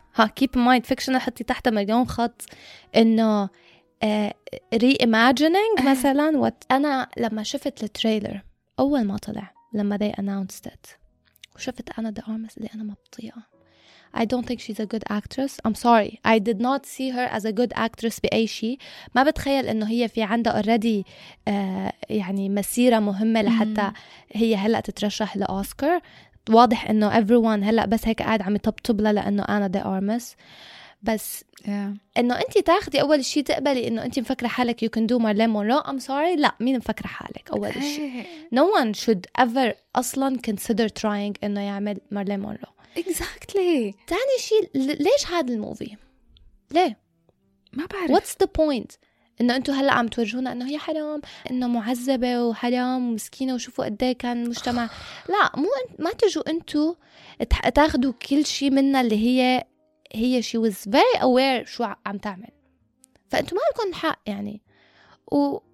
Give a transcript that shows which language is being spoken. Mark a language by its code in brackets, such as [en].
[ar] ها [en] keep in mind fictional [ar] حطي تحت مليون خط انه reimagining مثلا. انا لما شفت التريلر اول ما طلع لما [en] they announced it [ar] وشفت انا the armist اللي انا ما بطيقة [en] I don't think she's a good actress. I'm sorry. I did not see her as a good actress [ar] بأي شيء. ما بتخيل إنه هي في عندها already يعني مسيرة مهمة لحتى هي هلأ تترشح لأوسكار. واضح إنه everyone هلأ بس هيك قاعد عم يطبطب لها لأنه أنا دي أرمس. بس إنه أنت تاخدي أول شيء تقبلي إنه أنت مفكرة حالك [en] you can do Marlene Monroe. I'm sorry. [ar] لا مين مفكرة حالك أول شيء. [en] No one should ever أصلاً consider trying [ar] إنه يعمل [en] Marlene Monroe. Exactly. [ar] تاني شيء ليش هذا الموفي؟ ليه؟ ما بعرف. [en] What's the point؟ [ar] إنه أنتوا هلا عم تورجونا إنه هي حرام، إنه معذبة وحرام ومسكينة وشوفوا قد إيه كان المجتمع. لا مو ما تجوا أنتوا تاخدوا كل شيء منا اللي هي [en] she was very aware [ar] شو عم تعمل. فأنتوا ما لكم حق يعني. و